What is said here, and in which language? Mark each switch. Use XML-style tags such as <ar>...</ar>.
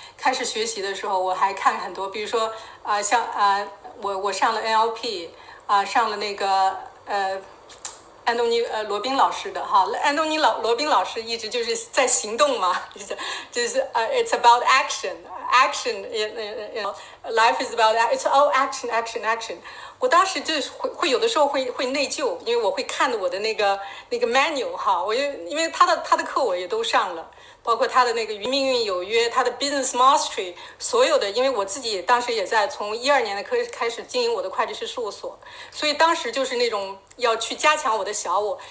<zh>开始学习的时候我还看很多，比如说像我上了 NLP 上了那个安东尼罗宾老师的哈。安东尼罗宾老师一直就是在行动嘛，就是</zh> <en>it's about action。 Action, life is about that. It's all action, action, action.</en> <zh>我当时就会有的时候会内疚，因为我会看我的那个 manual 哈，因为他的课我也都上了，包括他的那个与命运有约，他的 business mastery， 所有的，因为我自己当时也在从2012年的课开始经营我的会计师事务所，所以当时就是那种要去加强我的小我。</zh>